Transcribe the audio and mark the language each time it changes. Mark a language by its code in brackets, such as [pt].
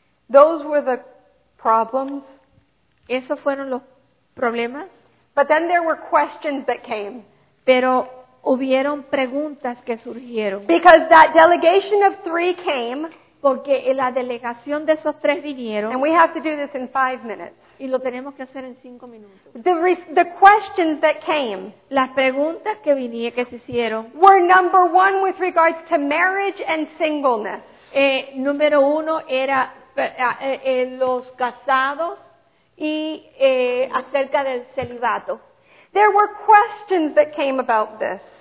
[en] Those were the problems. [es] Esos fueron los problemas. [en] But then there were questions that came. [es] Pero hubieron preguntas que surgieron. [en] Because that delegation of three came. [es] Porque la delegación de esos tres vinieron. [en] And we have to do this in 5 minutes. [es] Y lo tenemos que hacer en 5 minutos. [en] The questions that came. [es] Las preguntas que se hicieron. [en] Were number one with regards to marriage and singleness. [es] Número uno era los casados y acerca del celibato. [en] There were questions that came about this.